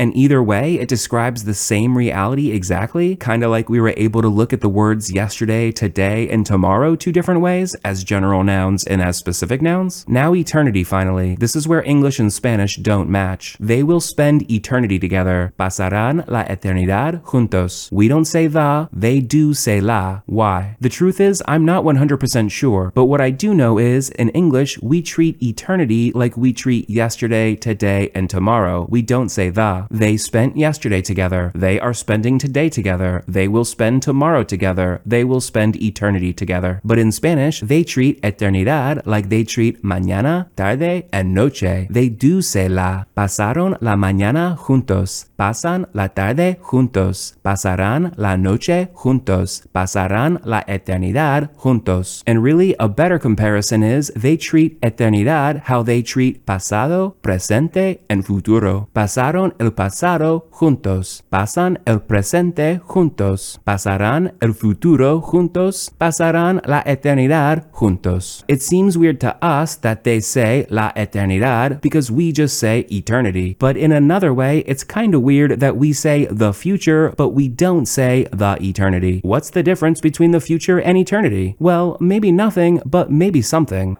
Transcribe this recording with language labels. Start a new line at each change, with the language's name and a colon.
English: And either way, it describes the same reality exactly, kind of like we were able to look at the words yesterday, today, and tomorrow two different ways, as general nouns and as specific nouns. Now eternity, finally. This is where English and Spanish don't match. They will spend eternity together.
Spanish: Pasarán la eternidad juntos.
English: We don't say the, they do say la. Why? The truth is, I'm not 100% sure, but what I do know is, in English, we treat eternity like we treat yesterday, today, and tomorrow. We don't say the. They spent yesterday together. They are spending today together. They will spend tomorrow together. They will spend eternity together. But in Spanish, they treat eternidad like they treat mañana, tarde, and noche. They do say la.
Spanish: Pasaron la mañana juntos. Pasan la tarde juntos. Pasarán la noche juntos. Pasarán la eternidad juntos.
English: And really, a better comparison is they treat eternidad how they treat pasado, presente, and futuro.
Spanish: Pasaron el pasado juntos. Pasan el presente juntos. Pasarán el futuro juntos. Pasarán la eternidad juntos.
English: It seems weird to us that they say la eternidad because we just say eternity. But in another way, it's kind of weird that we say the future, but we don't say the eternity. What's the difference between the future and eternity? Well, maybe nothing, but maybe something.